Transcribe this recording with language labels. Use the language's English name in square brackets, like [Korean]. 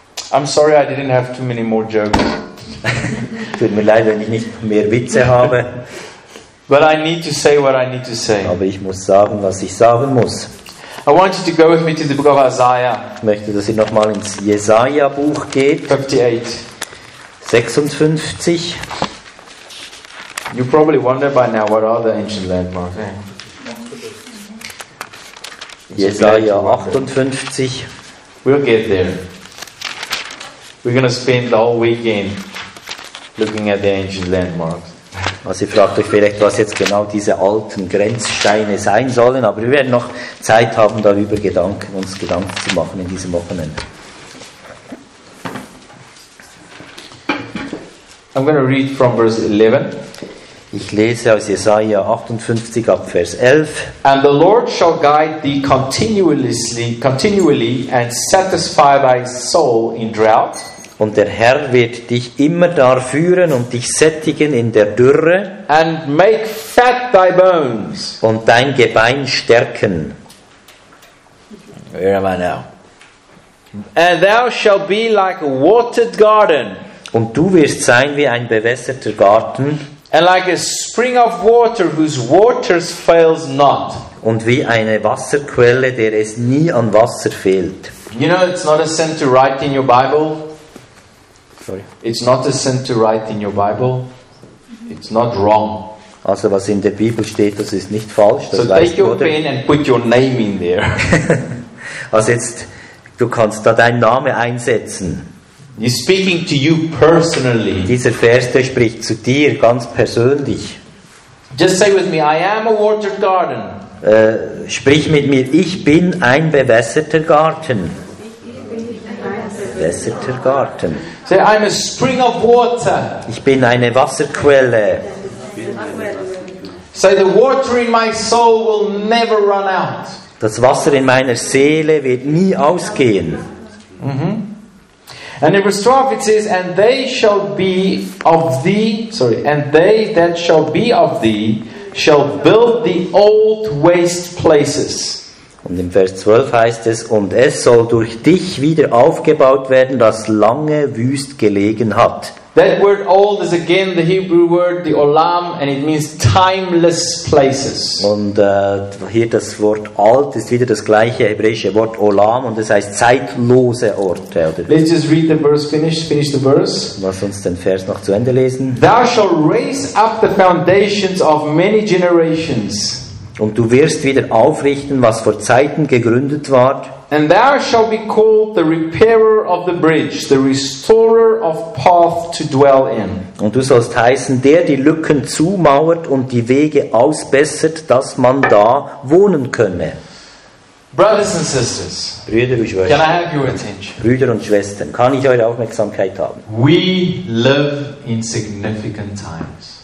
[English] I'm sorry I didn't have too many more jokes. [German] Tut mir leid, wenn ich nicht mehr Witze habe. [English] But I need to say what I need to say. [German] Aber ich muss sagen, was ich sagen muss. [English] I want you to go with me to the book of Isaiah. [German] Ich möchte, dass ihr nochmal ins Jesaja-Buch geht. [English] 58. 56. You probably wonder by now what are the ancient landmarks. Eh? [German] Jesaja 58. [English] We'll get there. We're going to spend the whole weekend looking at the ancient landmarks. [German] Also ihr fragt euch vielleicht, was jetzt genau diese alten Grenzsteine sein sollen, aber wir werden noch Zeit haben, darüber uns Gedanken zu machen in diesem Wochenende. [English] I'm going to read from verse 11. [German] Ich lese aus Jesaja 58 ab Vers 11. [English] And the Lord shall guide thee continually and satisfy thy soul in drought. [German] Und der Herr wird dich immer da führen und dich sättigen in der Dürre. [English] And make fat thy bones. [German] Und dein Gebein stärken. [English] Where am I now? And thou shalt be like a watered garden. [German] Und du wirst sein wie ein bewässerter Garten. [English] And like a spring of water whose waters fails not. [German] Und wie eine Wasserquelle, der es nie an Wasser fehlt. [English] You know, it's not a sin to write in your Bible. Sorry. It's not a sin to write in your Bible. It's not wrong. [German] Also was in der Bibel steht, das ist nicht falsch. Das [English] so take your pen and put your name in there. [German] Also jetzt, du kannst da deinen Namen einsetzen. [English] He's speaking to you personally. [German] Dieser Vers, der spricht zu dir ganz persönlich. [English] Just say with me, I am a watered garden. [German] Sprich mit mir, ich bin ein bewässerter Garten. Bewässerter Garten. [English] Say, I'm a spring of water. [German] Ich bin eine Wasserquelle. [English] Say, the water in my soul will never run out. [German] Das Wasser in meiner Seele wird nie ausgehen. Mm-hmm. [English] And in verse 12 it says, and they shall be of thee, sorry, and they that shall be of thee shall build the old waste places. [German] Und in Vers 12 heißt es, und es soll durch dich wieder aufgebaut werden, das lange wüst gelegen hat. [English] That word old is again the Hebrew word, the olam, and it means timeless places. [German] Und hier das Wort alt ist wieder das gleiche hebräische Wort olam und es heißt zeitlose Orte. [English] Let's just read the verse, finish the verse. [German] Lass uns den Vers noch zu Ende lesen. [English] Thou shalt raise up the foundations of many generations. [German] Und du wirst wieder aufrichten, was vor Zeiten gegründet war. [English] And thou shall be called the repairer of the bridge, the restorer of path to dwell in. [German] Und du sollst heißen, der die Lücken zumauert und die Wege ausbessert, dass man da wohnen könne. [English] Brothers and sisters, [German] Brüder und Schwestern, [English] can I have your attention? [German] Brüder und Schwestern, kann ich eure Aufmerksamkeit haben? [English] We live in significant times.